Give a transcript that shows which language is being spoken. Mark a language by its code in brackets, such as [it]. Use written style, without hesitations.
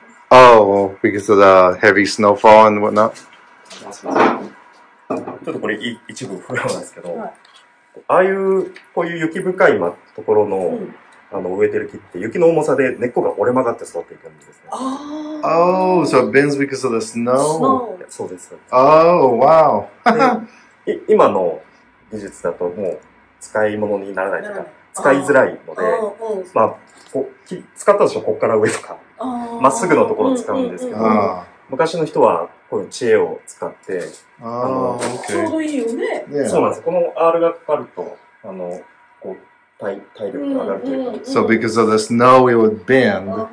[en] Oh, because of the heavy snowfall and whatnot. [ja] ちょっとこれ一部不要なんですけど、ああいうこういう雪深いところの植えてる木って雪の重さで根っこが折れ曲がって育っていくんですね。 [en] Oh, so bends because of the snow. [ja] そうです。 [en] Oh, wow. [ja] 今の技術だともう使い物にならないとか使いづらいので、まあ使ったとしてもここから上とか。まっすぐのところを使うんですけど、うんうんうん、昔の人はこういう知恵を使って、ちょうどいいよね。そうなんです。この R がかかると、こう体力が上がるというか。うんうんうん、 [en] so because of the snow, it would bend.